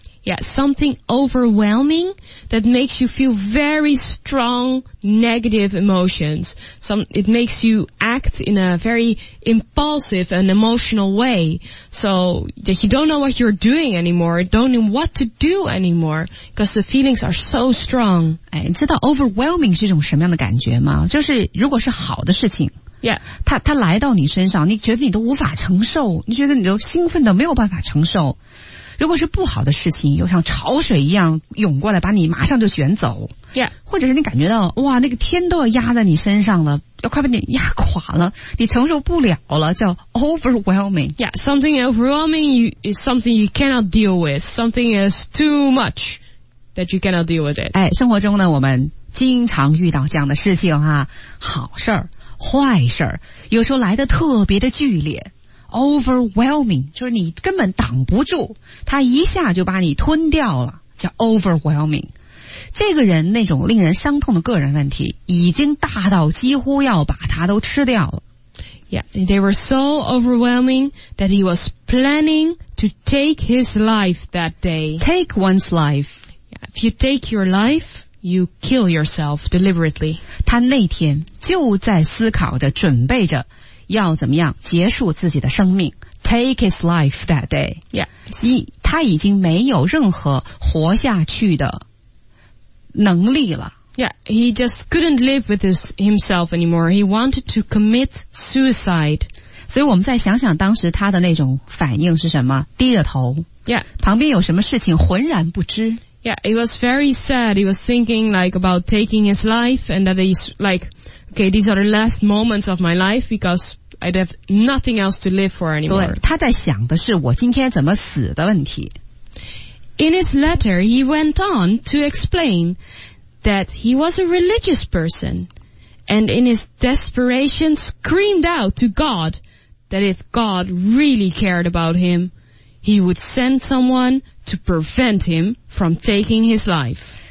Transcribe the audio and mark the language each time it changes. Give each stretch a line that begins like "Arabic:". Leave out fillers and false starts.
English: Yeah, something overwhelming that makes you feel very strong negative emotions. It makes you act in a very impulsive and emotional way. So that you don't know what you're doing anymore, don't know what to do anymore, because the feelings are so strong.
Chinese: 哎，你知道 overwhelming 是一种什么样的感觉吗？就是如果是好的事情。
English: Yeah.
Chinese: 它来到你身上，你觉得你都无法承受，你觉得你都兴奋的没有办法承受。如果是不好的事情又像潮水一样涌过来把你马上就卷走、
English: yeah.
Chinese: 或者是你感觉到哇那个天都要压在你身上了要快把你压垮了你承受不了了叫 overwhelming
English: yeah, something overwhelming is something you cannot deal with something is too much that you cannot deal with it、
Chinese: 哎、生活中呢我们经常遇到这样的事情哈、啊，好事儿、坏事儿，有时候来得特别的剧烈Overwhelming, 就是你根本挡不住，他一下就把你吞掉了，叫 overwhelming。这个人那种令人伤痛的个人问题，已经大到几乎要把他都吃掉了。
English: Yeah, they were so overwhelming that he was planning to take his life that day. Take one's life. Yeah, if you take your life, you kill yourself deliberately.
Chinese: 他那天就在思考着，准备着。要怎么样结束自己的生命
English: take his life that day yeah.
Chinese: 他已经没有任何活下去的能力了
English: yeah, he just couldn't live with himself anymore he wanted to commit suicide
Chinese: 所以我们再想想当时他的那种反应是什么低着头
English: yeah.
Chinese: 旁边有什么事情浑然不知
English: yeah, it was very sad he was thinking like about taking his life and that he's likeOkay, these are the last moments of my life because I have nothing else to live for anymore.
Chinese: 对，他在想的是我今天怎么死的问题。
English: In his letter, he went on to explain that he was a religious person and in his desperation screamed out to God that if God really cared about him, he would send someone to prevent him from taking his life.